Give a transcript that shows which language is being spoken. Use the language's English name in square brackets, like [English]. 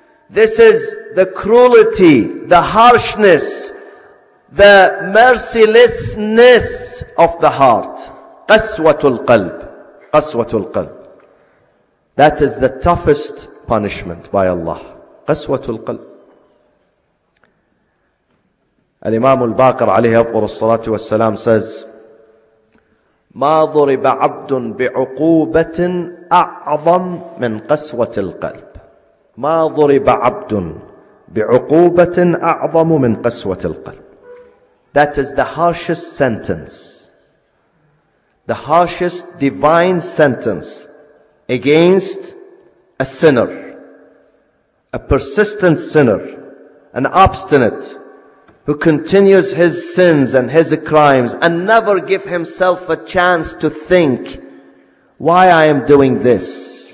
[English] This is the cruelty, the harshness, the mercilessness of the heart. [Arabic] قَسْوَةُ الْقَلْبِ. قَسْوَةُ الْقَلْبِ. [English] That is the toughest punishment by Allah. [Arabic] قَسْوَةُ الْقَلْبِ. الإمام الباقر عليه أفضل الصلاة والسلام [English] says, [Arabic] ما ضرب عبد بعقوبة أعظم من قسوة القلب. ما ضرب عبد بعقوبة أعظم من قسوة القلب. [English] That is the harshest sentence, the harshest divine sentence against a sinner, a persistent sinner, an obstinate who continues his sins and his crimes and never give himself a chance to think, why I am doing this?